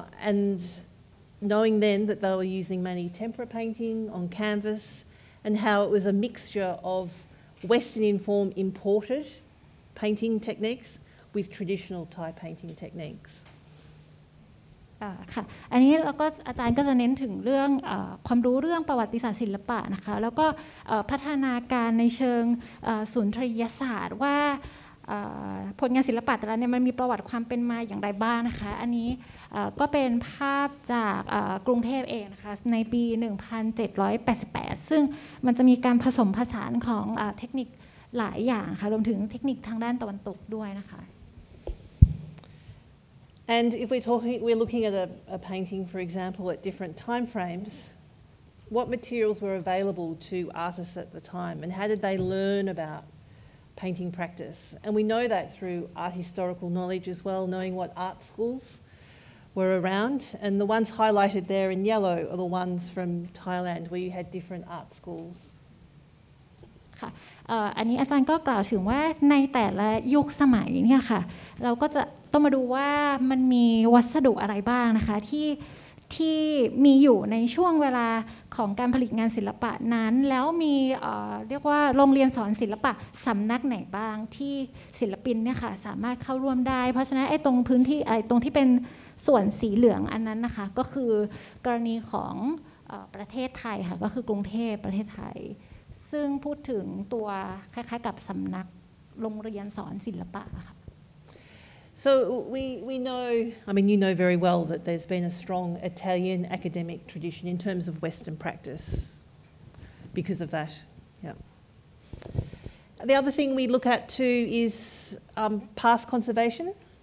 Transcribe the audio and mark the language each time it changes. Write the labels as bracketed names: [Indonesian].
[English] And knowing then that they were using many tempera painting on canvas and how it was a mixture of Western informed imported painting techniques with traditional Thai painting techniques. [Thai] ค่ะอันนี้เราก็อาจารย์ก็จะเน้นถึงเรื่องความรู้เรื่องประวัติศาสตร์ศิลปะนะคะแล้วก็พัฒนาการในเชิงสุนทรียศาสตร์ว่าผลงานศิลปะแต่ละเนี่ยมันมีประวัติความเป็นมาอย่างไรบ้างนะคะอันนี้ก็เป็นภาพจากกรุงเทพเองนะคะในปี1788ซึ่งมันจะมีการผสมผสานของเทคนิคหลายอย่างค่ะรวมถึงเทคนิคทางด้านตะวันตกด้วยนะคะ [English] And if we're looking at a painting, for example, at different time frames, what materials were available to artists at the time and how did they learn about painting practice? And we know that through art historical knowledge as well, knowing what art schools were around. And the ones highlighted there in yellow are the ones from Thailand where you had different art schools. [Thai] อันนี้อาจารย์ก็กล่าวถึงว่าในแต่ละยุคสมัยเนี่ยค่ะเราก็จะต้องมาดูว่ามันมีวัสดุอะไรบ้างนะคะที่ มีอยู่ในช่วงเวลาของการผลิตงานศิลปะนั้นแล้วมีเรียกว่าโรงเรียนสอนศิลปะสำนักไหนบ้างที่ศิลปินเนี่ยค่ะสามารถเข้าร่วมได้เพราะฉะนั้นไอ้ตรงพื้นที่ไอ้ตรงที่เป็นส่วนสีเหลืองอันนั้นนะคะก็คือกรณีของประเทศไทยค่ะก็คือกรุงเทพประเทศไทยซึ่งพูดถึงตัวคล้ายๆกับสำนักโรงเรียนสอนศิลปะค่ะ [English] So we know, I mean you know very well that there's been a strong Italian academic tradition in terms of Western practice because of that. Yeah. The other thing we look at too is past conservation.